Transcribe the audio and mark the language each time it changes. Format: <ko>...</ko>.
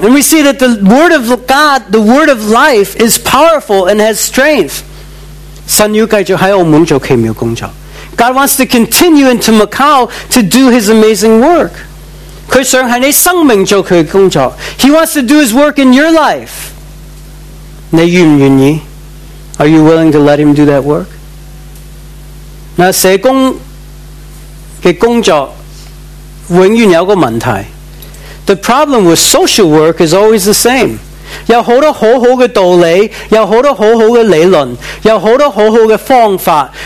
<en>And we see that the word of God, the word of life is powerful and has strength.</en> <zh>神要继续在澳门做奇妙工作。</zh> <en>God wants to continue into Macau to do His amazing work.</en> <zh>祂想在你生命做祂的工作。</zh> <en>He wants to do His work in your life.</en> <zh>你愿不愿意?</zh> <en>Are you willing to let Him do that work?</en> <zh>社工的工作永遠有個問題。</zh> <en>The problem with social work is always the same.</en> <zh>有很多很好的道理，有很多很好的理論，有很多很好的方法。</zh>